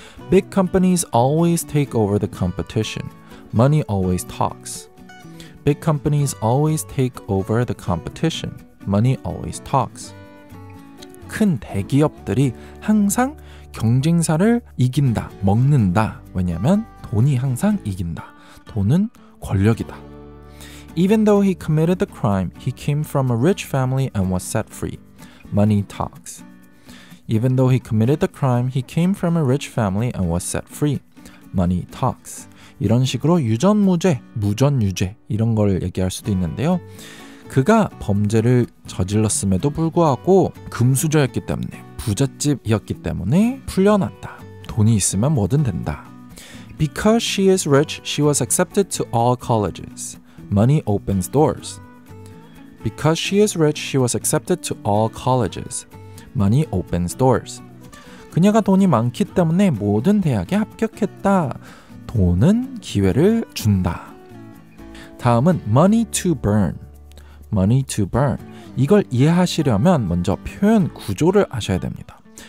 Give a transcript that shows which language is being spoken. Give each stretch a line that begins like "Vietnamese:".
English: Big companies always take over the competition. Money always talks. Big companies always take over the competition. Money always talks.
Korean: 큰 대기업들이 항상 경쟁사를 이긴다, 먹는다. 왜냐면 돈이 항상 이긴다. 돈은 권력이다.
English: Even though he committed the crime, he came from a rich family and was set free. Money talks. Even though he committed the crime, he came from a rich family and was set free. Money talks.
Korean: 이런 식으로 유전무죄, 무전유죄 이런 걸 얘기할 수도 있는데요. 그가 범죄를 저질렀음에도 불구하고 금수저였기 때문에, 부잣집이었기 때문에 풀려났다. 돈이 있으면 뭐든 된다.
English: Because she is rich, she was accepted to all colleges. Money opens doors. Because she is rich, she was accepted to all colleges. Money opens doors.
Korean: 그녀가 돈이 많기 때문에 모든 대학에 합격했다. 돈은 기회를 준다. 다음은
English: money to burn. Money to burn.
Korean: 이걸 이해하시려면 먼저 표현 구조를 아셔야 됩니다.